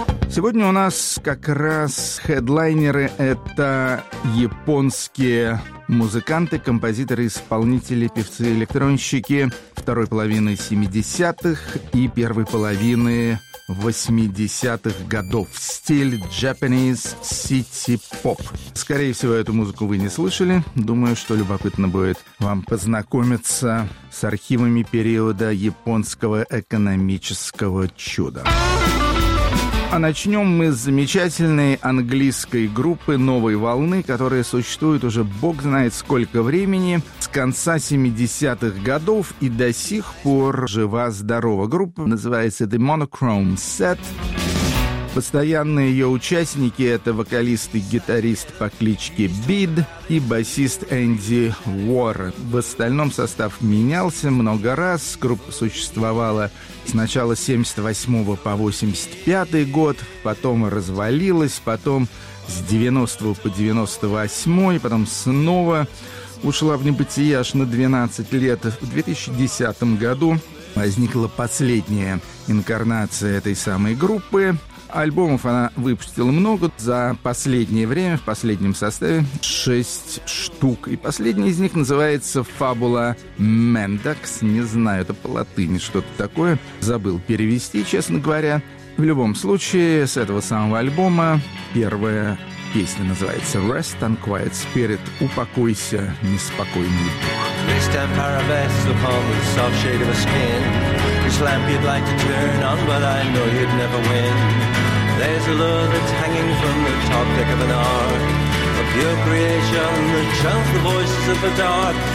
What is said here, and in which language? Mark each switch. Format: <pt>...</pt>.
<ru>Сегодня у нас как раз хедлайнеры — это японские музыканты, композиторы, исполнители, певцы, электронщики второй половины 70-х и первой половины 80-х годов. Стиль Japanese City Pop. Скорее всего, эту музыку вы не слышали. Думаю, что любопытно будет вам познакомиться с архивами периода японского экономического чуда. А начнем мы с замечательной английской группы «Новой волны», которая существует уже бог знает сколько времени, с конца 70-х годов и до сих пор жива-здорова. Группа называется «The Monochrome Set». Постоянные ее участники — это вокалист и гитарист по кличке Бид и басист Энди Уоррен. В остальном состав менялся много раз. Группа существовала с начала 78 по 85 год, потом развалилась, потом с 90 по 98, потом снова ушла в небытие аж на 12 лет. В 2010 году возникла последняя инкарнация этой самой группы. Альбомов она выпустила много за последнее время, в последнем составе 6 штук. И последний из них называется «Фабула Мендакс». Не знаю, это по-латыни что-то такое. Забыл перевести, честно говоря. В любом случае, с этого самого альбома первая песня называется «Rest and Quiet Spirit». «Упокойся, неспокойный дух».</ru> <en>Rest and paravest upon the soft shade of a skin. Which lamp you'd like to turn on, but I know you'd never win. There's a lure that's hanging from the top deck of an ark. A pure creation that chants the voices of the dark.</en>